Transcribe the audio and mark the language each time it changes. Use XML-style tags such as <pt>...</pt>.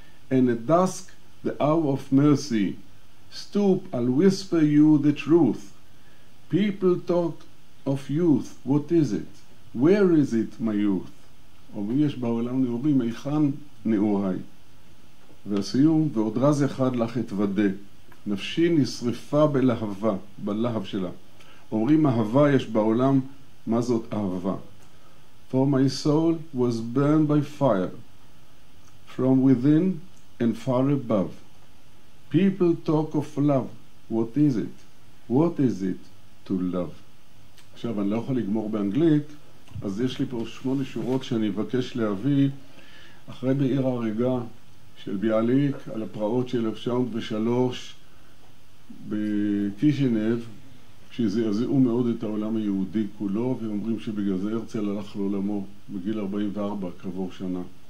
<en>And at dusk, the hour of mercy, stoop, I'll whisper you the truth. People talk of youth, what is it? Where is it, my youth?</en> <he>אומרים, יש בעולם נעורים, איכן נעוריי? והסיום, ועוד רז אחד לך את ודה, נפשי נשרפה בלהבה, בלהב שלה. אומרים אהבה יש בעולם, מה זאת אהבה?</he> <en>For my soul was burned by fire, from within and far above. People talk of love, what is it? What is it to love?</en> <he>עכשיו, אני לא יכול לגמור באנגלית, אז יש לי פה 8 שורות שאני אבקש להביא, אחרי בעיר ההרגה של ביאליק, על הפרעות של 1903 בקישינב, שזעזעו מאוד את העולם היהודי כולו, ואומרים שבגלל זה הרצל הלך לעולמו בגיל 44, כעבור שנה.</he>